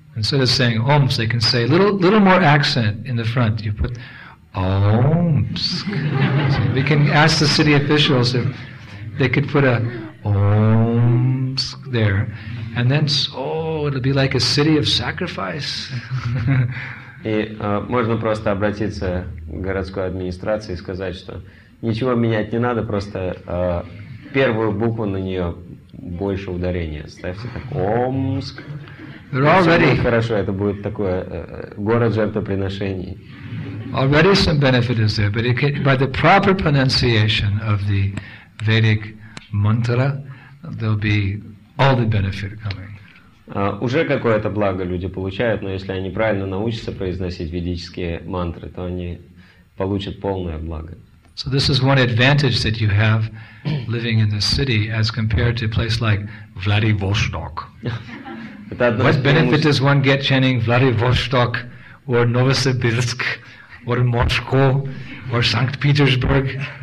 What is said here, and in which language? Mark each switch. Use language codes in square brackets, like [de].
[en] Instead of saying Омск, they can say little more accent in the front. You put Омск. We can ask the city officials if they could put a Омск there. And then, oh, it'll be like a city of sacrifice. [ru] И можно просто обратиться к городской администрации и сказать, что ничего менять не надо, просто первую букву на нее больше ударения. Ставьте так, Омск. [en] They're already [ru] хорошо, это будет такое город жертвоприношений. [en] Already some benefit is there, but by the proper pronunciation of the Vedic mantra, there'll be all the benefit coming. [ru] Уже какое-то благо люди получают, но если они правильно научатся произносить ведические мантры, то они получат полное благо. [en] So this is one advantage that you have living in this city as compared to a place like Vladivostok. What benefit does one get chanting Vladivostok or Novosibirsk or Moscow or St. Petersburg?